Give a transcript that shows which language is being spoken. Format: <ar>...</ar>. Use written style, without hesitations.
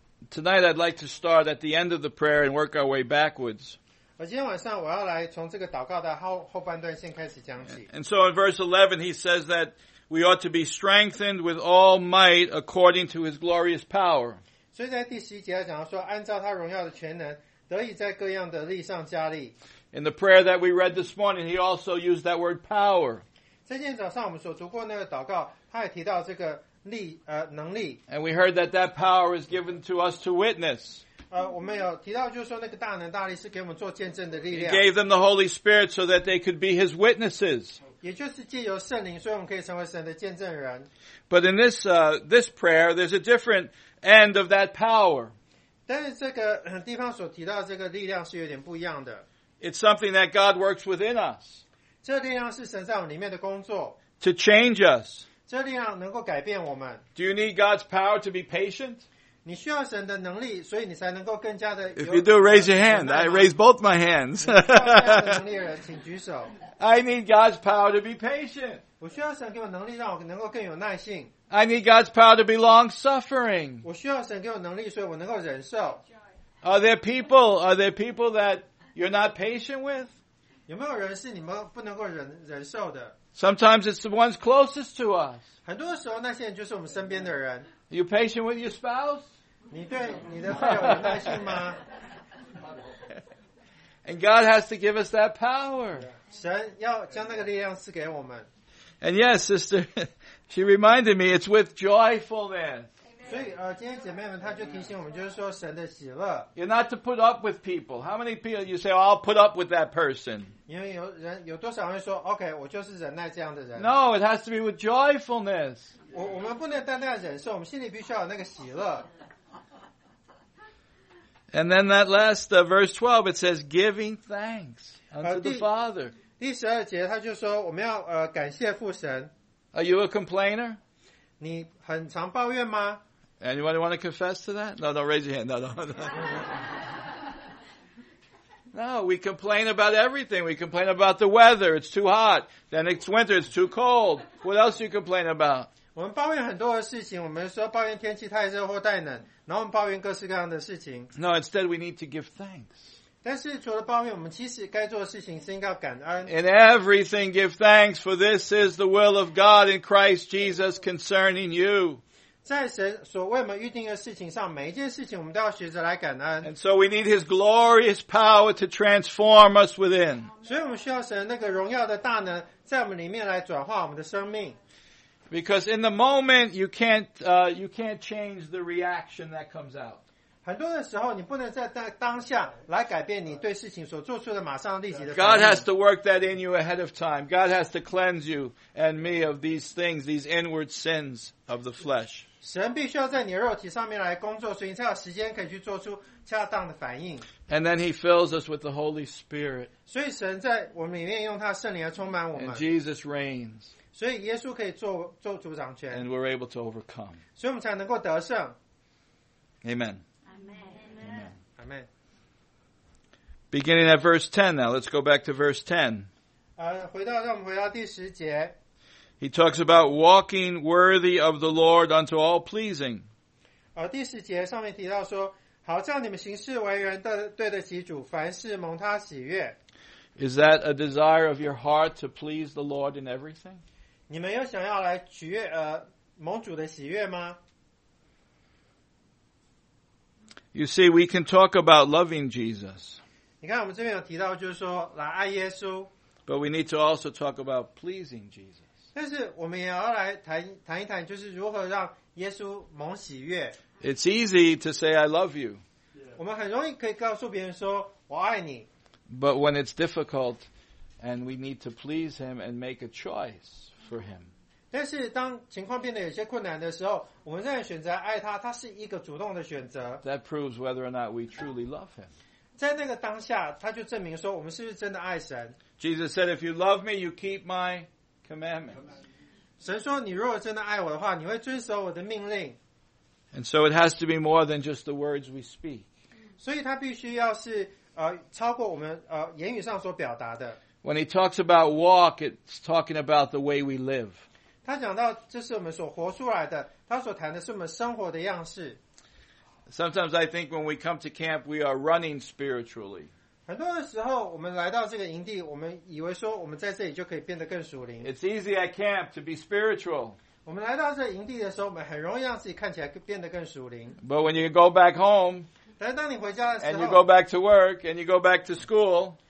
<en>Tonight I'd like to start at the end of the prayer and work our way backwards. And so in verse 11 he says that we ought to be strengthened with all might according to His glorious power.</en> <zh>所以在第十一节他讲到说，按照他荣耀的全能，得以在各样的力上加力。</zh> <en>In the prayer that we read this morning, he also used that word power.</en> <zh>在今天早上我们所读过那个祷告，他也提到这个力，能力。</zh> <en>And we heard that that power is given to us to witness.</en> <zh>我们有提到就是说那个大能大力是给我们做见证的力量。</zh> <en>He gave them the Holy Spirit so that they could be His witnesses.</en> <zh>也就是借由圣灵，所以我们可以成为神的见证人。</zh> <en>But in this prayer, there's a different end of that power.</en> <zh>但是这个地方所提到的这个力量是有点不一样的。</zh> <en>It's something that God works within us.</en> <zh>这力量是神在我里面的工作。</zh> <en>To change us.</en> <zh>这力量能够改变我们。</zh> <en>Do you need God's power to be patient?</en> <zh>你需要神的能力，所以你才能够更加的。</zh> <en>If you do, raise your hand. I raise both my hands.</en> <zh>你需要这样的能力的人，请举手。</zh> <en>I need God's power to be patient.</en> <zh>我需要神给我能力，让我能够更有耐性。</zh> <en>I need God's power to be long-suffering.</en> <zh>我需要神给我能力，所以我能够忍受。</zh> <en>Are there people that you're not patient with?</en> <zh>有没有人是你们不能够忍受的？</zh> <en>Sometimes it's the ones closest to us.</en> <zh>很多时候那些人就是我们身边的人。</zh> <en>Are you patient with your spouse?</en> <zh>你对你的配偶有耐心吗？</zh> <en>And God has to give us that power.</en> <zh>神要将那个力量赐给我们。</zh> <en>And yes, sister, she reminded me, it's with joyfulness.</en> <zh>所以今天姐妹们她就提醒我们就是说神的喜乐。</zh> <en>You're not to put up with people. How many people you say, oh, I'll put up with that person?</en> <zh>因为有人有多少人说 OK, 我就是忍耐这样的人。</zh> <en>No, it has to be with joyfulness.</en> <zh>我们不能单单忍受，我们心里必须要有那个喜乐。</zh> <en>And then that last verse 12, it says, giving thanks unto the Father.</en> <zh>第十二节他就说我们要感谢父神。</zh> <en>Are you a complainer?</en> <zh>你很常抱怨吗？</zh> <en>Anyone want to confess to that? No, raise your hand. No, No, we complain about everything. We complain about the weather. It's too hot. Then it's winter. It's too cold. What else do you complain about?</en> <zh>我们抱怨很多的事情，我们说抱怨天气太热或太冷，然后我们抱怨各式各样的事情。</zh> <en>No, instead we need to give thanks.</en> <zh>但是除了抱怨，我们其实该做的事情是应该要感恩。</zh> <en>In everything give thanks, for this is the will of God in Christ Jesus concerning you.</en> <zh>在神所为我们预定的事情上，每一件事情我们都要学着来感恩。</zh> <en>And so we need His glorious power to transform us within.</en> <zh>所以我们需要神那个荣耀的大能在我们里面来转化我们的生命。</zh> <en>Because in the moment, you can't change the reaction that comes out.</en> <zh>很多的时候，你不能在当下来改变你对事情所做出的马上立即的反应。</zh> <en>God has to work that in you ahead of time. God has to cleanse you and me of these things, these inward sins of the flesh.</en> <zh>神必须要在你的肉体上面来工作，所以你才有时间可以去做出恰当的反应。</zh> <en>And then He fills us with the Holy Spirit.</en> <zh>所以神在我们里面用他圣灵来充满我们。</zh> <en>And Jesus reigns.</en> <zh>所以耶稣可以做主掌权。</zh> <en>And we're able to overcome.</en> <zh>所以我们才能够得胜。</zh> <en>Amen. Amen. Amen. Amen. Beginning at verse 10 now, let's go back to verse 10.</en> <zh>让我们回到第十节。</zh> <en>He talks about walking worthy of the Lord unto all pleasing.</en> <zh>第十节上面提到说，好叫你们行事为人的对得起主，凡事蒙他喜悦。</zh> <en>Is that a desire of your heart to please the Lord in everything?</en> <zh>你们有想要来取悦蒙主的喜悦吗？</zh> <en>You see, we can talk about loving Jesus.</en> <zh>你看我们这边有提到就是说来爱耶稣。</zh> <en>But we need to also talk about pleasing Jesus.</en> <zh>但是我们也要来 谈一谈就是如何让耶稣蒙喜悦。</zh> <en>It's easy to say I love you.</en> <zh>我们很容易可以告诉别人说我爱你。</zh> <en>But when it's difficult and we need to please Him and make a choice for Him.</en> <zh>但是当情况变得有些困难的时候，我们仍然选择爱他，他是一个主动的选择。</zh> <en>That proves whether or not we truly love Him.</en> <zh>在那个当下，他就证明说我们是不是真的爱神。</zh> <en>Jesus said, if you love me, you keep my commandments.</en> <zh>神说你如果真的爱我的话，你会遵守我的命令。</zh> <en>And so it has to be more than just the words we speak.</en> <zh>所以他必须要是超过我们言语上所表达的。</zh> <en>When he talks about walk, it's talking about the way we live.</en> <zh>他讲到这是我们所活出来的，他所谈的是我们生活的样式。</zh> <en>Sometimes I think when we come to camp, we are running spiritually.</en> <zh>很多的时候，我们来到这个营地，我们以为说我们在这里就可以变得更属灵。</zh> <en>It's easy at camp to be spiritual.</en> <zh>我们来到这个营地的时候，我们很容易让自己看起来变得更属灵。</zh> <en>But when you go back home,</en> <zh>但是当你回家的时候</zh> <en>and you go back to work, and you go back to school,</en>